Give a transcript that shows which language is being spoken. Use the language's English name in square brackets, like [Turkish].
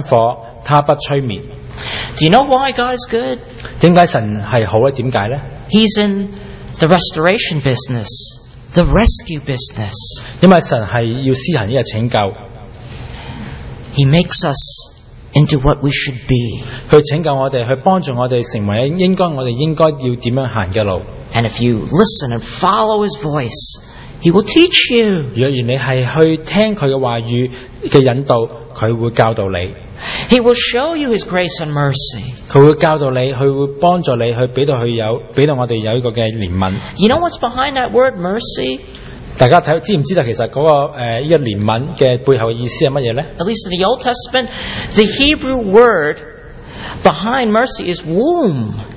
[Chinese] 就在以赛亚书第42章第3节说，亚伦的芦苇他不折断，将成一灯火他不吹灭。 [English] Do you know why God is good? [Chinese] 为什么神是好的？为什么呢? [English] He's in the restoration business, the rescue business. [Chinese] 因为神是要施行这个拯救。 [English] He makes us into what we should be. [Chinese] 去拯救我们，去帮助我们成为应该我们应该要怎样行的路。 [English] And if you listen and follow His voice, He will teach you. [Chinese] 若然你是去听祂的话语的引导，祂会教导你。 [English] He will show you His grace and mercy. [Chinese] 祂会教导你，祂会帮助你，去给到我们有一个怜悯。 [English] You know what's behind that word mercy? [Chinese] 大家知不知道其实这个怜悯的背后的意思是什么呢? [English] At least in the Old Testament, the Hebrew word behind mercy is womb.